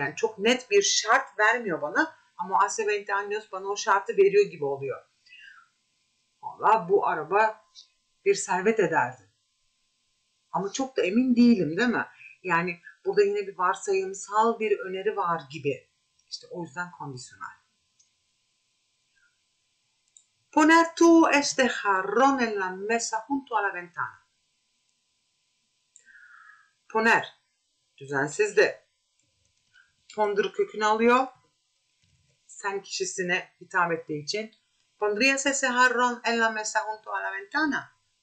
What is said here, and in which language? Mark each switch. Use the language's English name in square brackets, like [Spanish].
[Turkish] Yani çok net bir şart vermiyor bana. Ama [Spanish] hace 20 años [Turkish] bana o şartı veriyor gibi oluyor. Valla bu araba bir servet ederdi. Ama çok da emin değilim değil mi? Yani burada yine bir varsayımsal bir öneri var gibi. İşte o yüzden kondisyonel. [Spanish] Poner tú este jarrón en la mesa junto a la ventana. [Turkish] Poner. Düzensiz de. Pondur kökünü alıyor. Sen kişisine hitap ettiği için. [Spanish] ¿Pondrías ese jarrón en la mesa junto a la ventana?